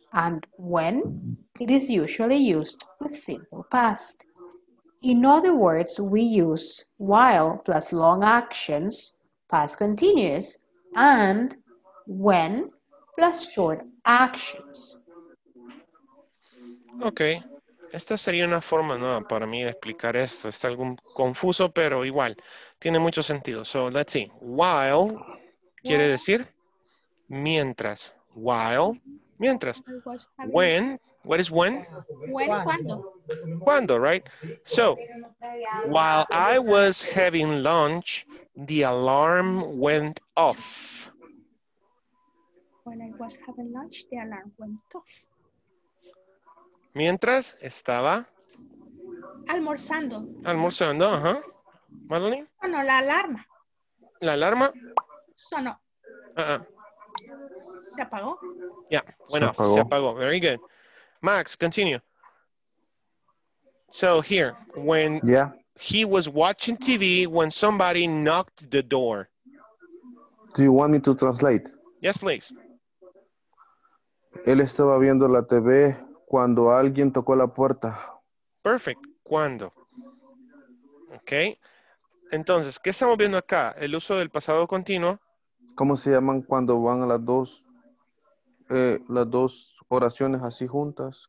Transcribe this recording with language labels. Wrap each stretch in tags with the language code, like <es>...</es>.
<en>And when, it is usually used with simple past. In other words, we use while plus long actions, past continuous, and when plus short actions.</en> <es>Okay, esta sería una forma nueva para mí de explicar esto. Está algo confuso, pero igual, tiene mucho sentido.</es> <en>So let's see, while</en> <es>quiere decir mientras,</es> <en>while,</en> <es>mientras,</es> <en>when, what is when? When,</en> <es>cuando. Cuando, right?</es> <en>So, while I was having lunch, the alarm went off. When I was having lunch, the alarm went off.</en> <es>Mientras estaba... Almorzando. Almorzando, ajá. Madeline? No, la alarma. ¿La alarma? Sonó. Uh-uh. Se apagó.</es> <en>Yeah, went off.</en> <es>Se apagó.</es> <en>Very good. Max, continue. So here, when he was watching TV, when somebody knocked the door. Do you want me to translate? Yes, please.</en> <es>Él estaba viendo la TV cuando alguien tocó la puerta.</es> <en>Perfect.</en> <es>¿Cuándo?</es> <en>Okay.</en> <es>Entonces, ¿qué estamos viendo acá? El uso del pasado continuo. ¿Cómo se llaman cuando van a las dos oraciones así juntas?</es>